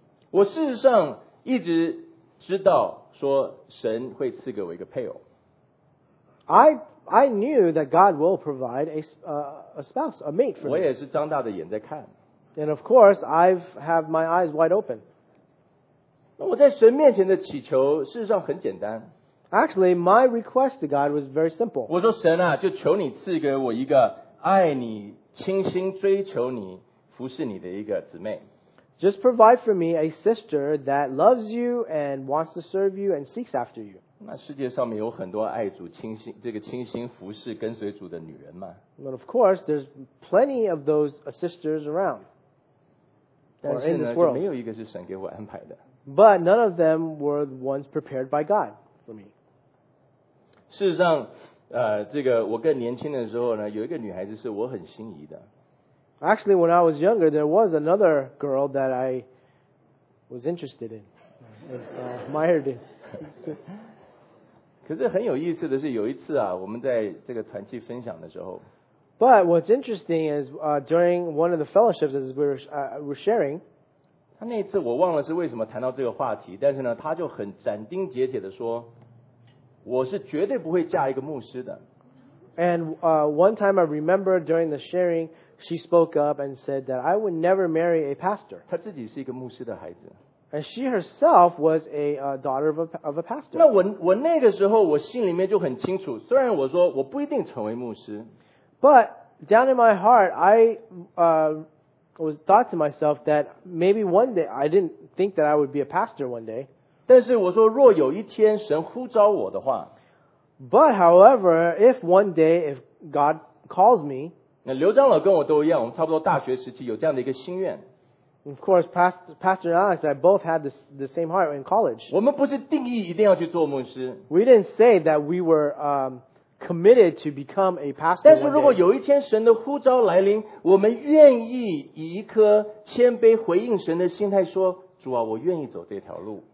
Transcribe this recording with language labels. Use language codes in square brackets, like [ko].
[zh] 我事实上一直知道说神会赐给我一个配偶。 [en] I knew that God will provide a spouse, a mate for me. [zh] 我也是张大的眼在看。 [en] And of course, I've have my eyes wide open. [zh] 那我在神面前的祈求事实上很简单。 [en] Actually, my request to God was very simple. [zh] 我说神啊，就求你赐给我一个爱你、倾心追求你、服侍你的一个姊妹。 [en] Just provide for me a sister that loves you and wants to serve you and seeks after you. [zh] 那世界上面有很多爱主、倾心这个倾心服侍、跟随主的女人吗？ [en] Well, of course, there's plenty of those sisters around. [zh] 但是呢，就没有一个是神给我安排的。 [en] But none of them were the ones prepared by God for me. [zh] 事实上，这个我更年轻的时候呢，有一个女孩子是我很心仪的。 [en] Actually, when I was younger, there was another girl that I was interested in, admired in. [zh] 可是很有意思的是，有一次啊，我们在这个团契分享的时候。 [en] But what's interesting is, during one of the fellowships as we were sharing. [zh] 他那一次我忘了是为什么谈到这个话题，但是呢，他就很斩钉截铁的说，我是绝对不会嫁一个牧师的。 [en] And one time I remember during the sharing. She spoke up and said that I would never marry a pastor. [zh] 她自己是一个牧师的孩子。 [en] And she herself was a daughter of a pastor. [zh] 那我那个时候我心里面就很清楚，虽然我说我不一定成为牧师。 [en] But down in my heart, I was thought to myself that maybe one day, I didn't think that I would be a pastor one day. [zh] 但是我说若有一天神呼召我的话。 [en] But however, if one day, if God calls me, [zh] 那刘长老跟我都一样，我们差不多大学时期有这样的一个心愿。 [en] Of course, Pastor and Alex, I both had the same heart in college. [zh] 我们不是定义一定要去做牧师。 [en] We didn't say that we were committed to become a pastor. [zh] 但是如果有一天神的呼召来临，我们愿意以一颗谦卑回应神的心态说，主啊，我愿意走这条路。